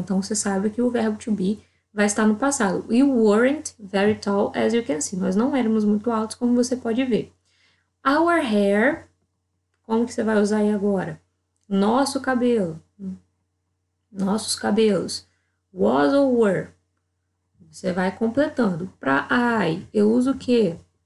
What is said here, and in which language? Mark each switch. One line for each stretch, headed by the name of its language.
Portuguese: Então, você sabe que o verbo to be vai estar no passado.
English: We weren't very tall, as you can see.
Portuguese: Nós não éramos muito altos, como você pode ver.
English: Our hair,
Portuguese: como que você vai usar aí agora? Nosso cabelo. Nossos cabelos. Was ou were? Você vai completando. Para I, eu uso o quê?